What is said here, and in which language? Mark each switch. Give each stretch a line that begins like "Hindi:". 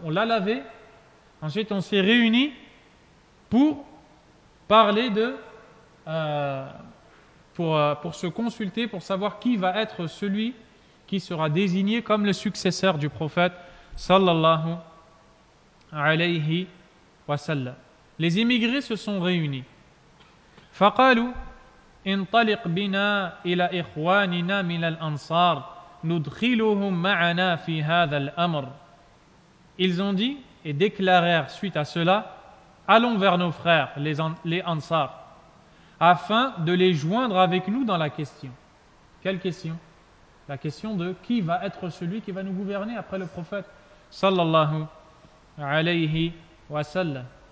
French: On l'a lavé, ensuite on s'est réunis pour parler de... pour se consulter, pour savoir qui va être celui qui sera désigné comme le successeur du prophète, sallallahu alayhi wa sallam. Les émigrés se sont réunis.
Arabic: فَقَالُوا انطلق بنا إلى إخواننا من الأنصار ندخلهم معنا في هذا الأمر.
French: Ils ont dit et déclarèrent suite à cela, allons vers nos frères, les Ansar, afin de les joindre avec nous dans la question. Quelle question? La question de qui va être celui qui va nous gouverner après le prophète sallallahu alayhi wa sallam.